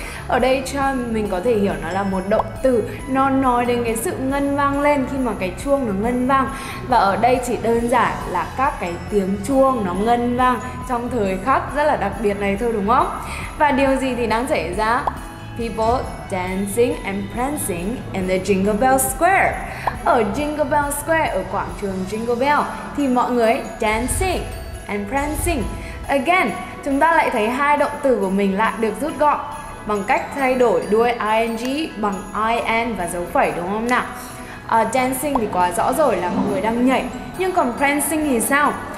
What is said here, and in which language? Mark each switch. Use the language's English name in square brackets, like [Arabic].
[Vietnamese] Ở đây chime mình có thể hiểu nó là một động từ. Nó nói đến cái sự ngân vang lên khi mà cái chuông nó ngân vang. Và ở đây chỉ đơn giản là các cái tiếng chuông nó ngân vang trong thời khắc rất là đặc biệt này thôi đúng không? Và điều gì thì đang xảy ra? [English] People dancing and prancing in the Jingle Bell Square. [Vietnamese] Ở Jingle Bell Square, ở quảng trường Jingle Bell, thì mọi người [English] dancing and prancing, [Vietnamese] Again, chúng ta lại thấy hai động từ của mình lại được rút gọn bằng cách thay đổi đuôi ing bằng in và dấu phẩy, đúng không nào? Dancing thì quá rõ rồi là mọi người đang nhảy. Nhưng còn prancing thì sao?